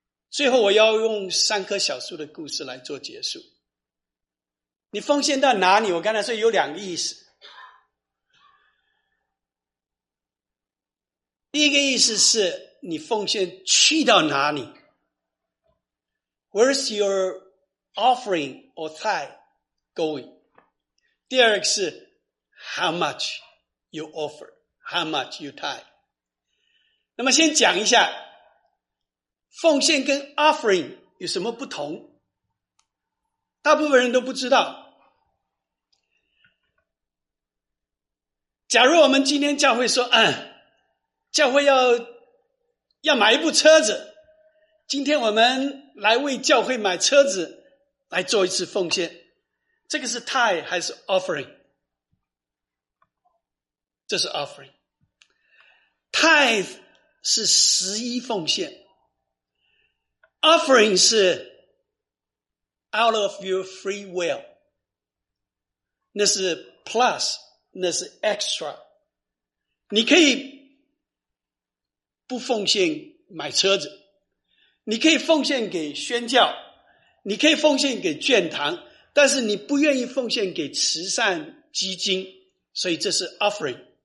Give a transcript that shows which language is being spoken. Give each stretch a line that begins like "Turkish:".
Chinese: 最后我要用三棵小树的故事来做结束。你奉献到哪里？我刚才说有两个意思。第一个意思是你奉献去到哪里？
English: Where's your offering or tithe going?
Chinese: 第二个是
English: How much you offer? How much you tithe?
Chinese: 那么先讲一下奉献跟 offering 有什么不同？大部分人都不知道。假如我们今天教会说，教会要买一部车子，今天我们来为教会买车子来做一次奉献，这个是 tithe 还是 offering? 这是 offering。tithe 是十一奉献。
English: Offering 是 out of your free will， 那是 plus， 那是 extra。
Chinese: 你可以不奉献买车子，你可以奉献给宣教，你可以奉献给眷堂，但是你不愿意奉献给慈善基金，所以这是 offering。